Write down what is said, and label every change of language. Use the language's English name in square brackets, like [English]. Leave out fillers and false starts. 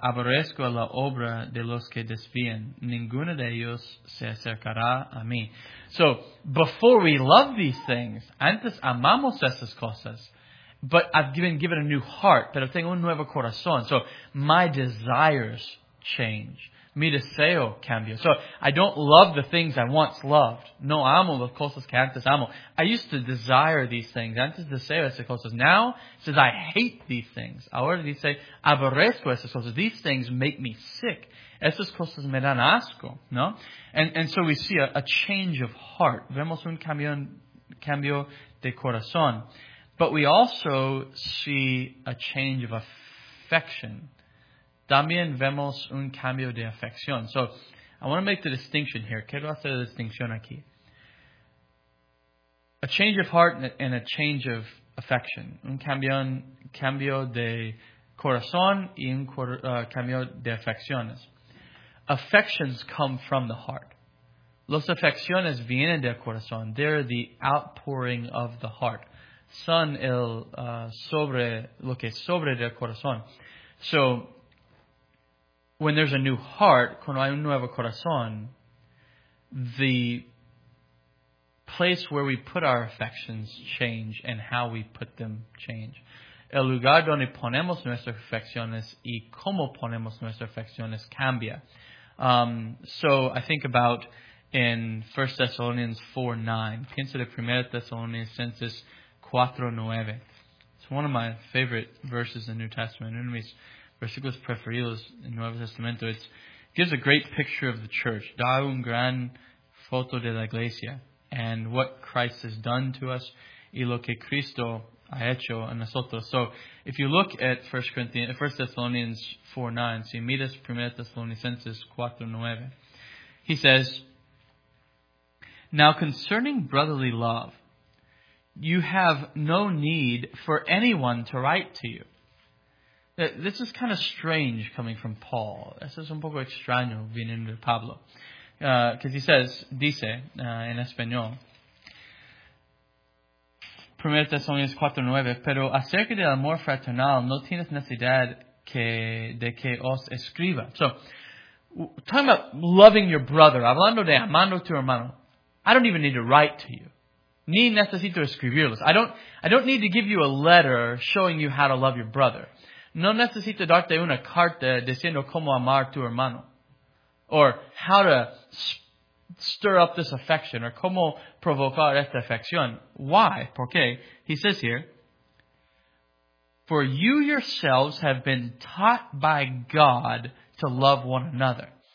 [Spanish] Aborrezco la obra de los que desvían. Ninguno de ellos se acercará a mí. [English] So, before we love these things, [Spanish] antes amamos esas cosas. [English] But I've been given a new heart. [Spanish] Pero tengo un nuevo corazón. [English] So, my desires change. [Spanish] Mi deseo cambia. [English] So, I don't love the things I once loved. [Spanish] No amo las cosas que antes amo. [English] I used to desire these things. [Spanish] Antes deseo esas cosas. [English] Now, it says I hate these things. [Spanish] Ahora dice, aborrezco esas cosas. [English] These things make me sick. [Spanish] Esas cosas me dan asco. No? [English] And so we see a change of heart. [Spanish] Vemos un cambio de corazón. [English] But we also see a change of affection. [Spanish] También vemos un cambio de afección. [English] So, I want to make the distinction here. [Spanish] Quiero hacer la distinción aquí. [English] A change of heart and a change of affection. [Spanish] Un cambio de corazón y un cambio de afecciones. [English] Affections come from the heart. [Spanish] Los afecciones vienen del corazón. [English] They're the outpouring of the heart. [Spanish] Son el sobre, lo que sobre del corazón. [English] So, when there's a new heart, [Spanish] cuando hay un nuevo corazón, [English] the place where we put our affections change and how we put them change. [Spanish] El lugar donde ponemos nuestras afecciones y cómo ponemos nuestras afecciones cambia. [English] So I think about in 1 Thessalonians 4:9. [Spanish] Pienso de 1 Thessalonians 4:9. [English] It's one of my favorite verses in the New Testament. [Spanish] Versículos preferidos en Nuevo Testamento. [English] It gives a great picture of the church. [Spanish] Da un gran foto de la iglesia. [English] And what Christ has done to us. [Spanish] Y lo que Cristo ha hecho a nosotros. [English] So, if you look at 1 Thessalonians 4:9. [Spanish] Si miras [English] 1 Thessalonians 4:9. He says, now concerning brotherly love, you have no need for anyone to write to you. This is kind of strange coming from Paul. [Spanish] Eso es un poco extraño viniendo de Pablo. [English] Because he says, [Spanish] dice, en español, 1 Thessalonians 4:9, pero acerca del amor fraternal no tienes necesidad de que os escriba. [English] So, talking about loving your brother, [Spanish] hablando de amando tu hermano, [English] I don't even need to write to you. [Spanish] Ni necesito escribirlos. [English] I don't need to give you a letter showing you how to love your brother. [Spanish] No necesito darte una carta diciendo cómo amar tu hermano. [English] Or how to stir up this affection. [Spanish] Or cómo provocar esta afección. Why? ¿Por qué? [English] He says here, for you yourselves have been taught by God to love one another.